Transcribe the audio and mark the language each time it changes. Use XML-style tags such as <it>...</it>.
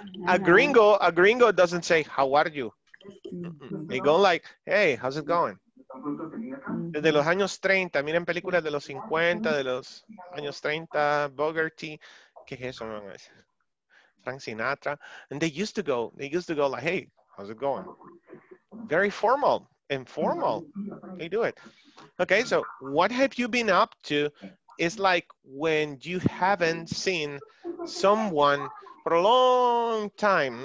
<en>A gringo doesn't say, how are you? They go like, hey, how's it going?</en> <es>Desde los años 30, miren películas de los 50, de los años 30, Bogarty, ¿qué es eso? Frank Sinatra.</es> <en>And they used to go like, hey, how's it going? Very formal, informal, they do it. Okay, so what have you been up to? It's like when you haven't seen someone for a long time.</en>